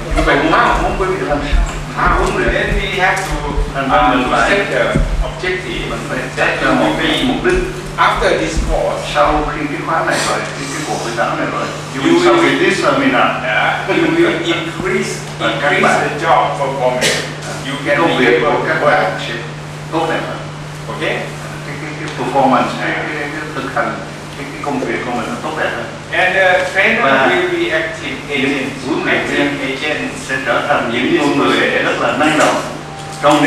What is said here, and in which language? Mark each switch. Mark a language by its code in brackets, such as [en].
[vi] nhưng mà muốn quý vị làm sao huấn luyện, [en] then we have to set the objective, [vi] mình phải set cho một cái mục đích. [en] After this course, [vi] sau khi cái khóa này rồi, khi cái cuộc hội thảo này rồi, you sau khi [en] this seminar, you will increase the job performance, you can [vi] công việc của các bạn sẽ tốt đẹp hơn. [en] Ok, [vi] cái performance này, cái thực hành công việc của mình nó tốt đẹp hơn. [en] And trainer will be active agents. [vi] Huấn luyện viên agent sẽ trở thành những con người rất là năng động trong